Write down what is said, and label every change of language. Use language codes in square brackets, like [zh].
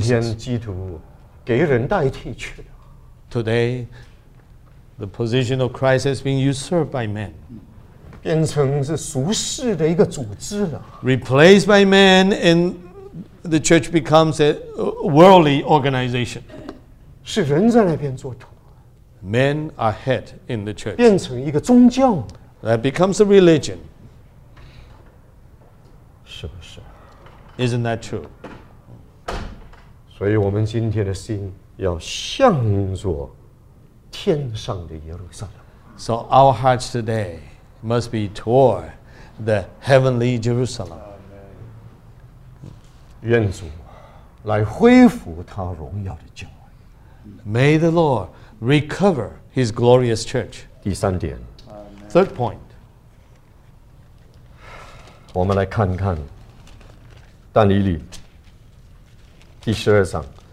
[zh] 今天基督给人代替去了。 [en] Today, the position of Christ has been usurped by men. [zh] 变成是俗世的一个组织了。 [en] Replaced by man, and the church becomes a worldly organization. [zh] 是人在那边做主。 [en] Men are head in the church. [zh] 变成一个宗教。 [en] That becomes a religion. [zh] 是不是？ [en] Isn't that true? [zh] 所以我们今天的心要向着天上的耶路撒冷。 [en] So our hearts today must be toward the heavenly Jerusalem. [zh] 愿主来恢复他荣耀的教会。 [en] May the Lord recover his glorious church. [zh] 第三点。 [en] Third point. [zh] 我们来看看但以理第十二章。